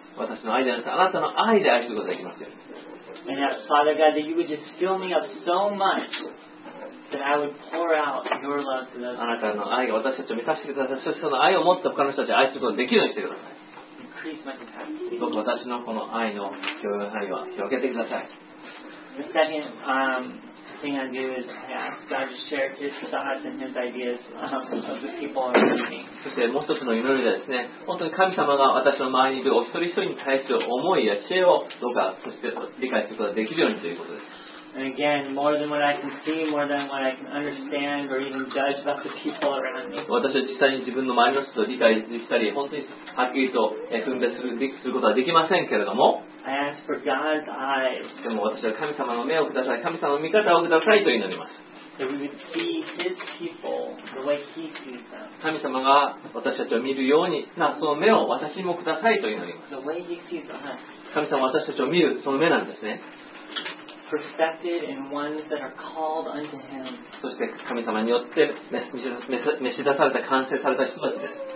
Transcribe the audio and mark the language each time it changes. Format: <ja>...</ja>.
<ja>私の愛であなた、あなたの愛であることができますよ。</ja> <en>And that, Father God, that you would just fill me up so much that I would pour out your love to those.</en> <ja>あなたの愛が私たちを満たしてください。そしてその愛をもっと他の人たちを愛することができるようにしてください。</ja> <en>Increase my capacity.</en> <ja>どうか私のこの愛の許容範囲を広げてください。</ja> <en>The second, thing I do is I ask God to share his thoughts and his ideas, of the people around me.</en> <ja>そしてもう一つの祈りはですね、本当に神様が私の周りにいるお一人一人に対する思いや知恵をどうか、そして理解することができるようにということです。</ja> <en>And again, more than what I can see, more than what I can understand or even judge about the people around me.</en> <ja>私は実際に自分の周りの人と理解したり、本当にはっきりと分別することはできませんけれども、</ja> <en>I ask for God's eyes.</en> <ja>でも私は神様の目をください、神様の見方をくださいと祈ります。神様が私たちを見るようになその目を私にもくださいと祈ります。</ja> <en>The way he sees us.</en> <ja>神様は私たちを見るその目なんですね。</ja> <en>Perfected in ones that are called unto him.</en> <ja>そして神様によって召し出された完成された人たちです。</ja>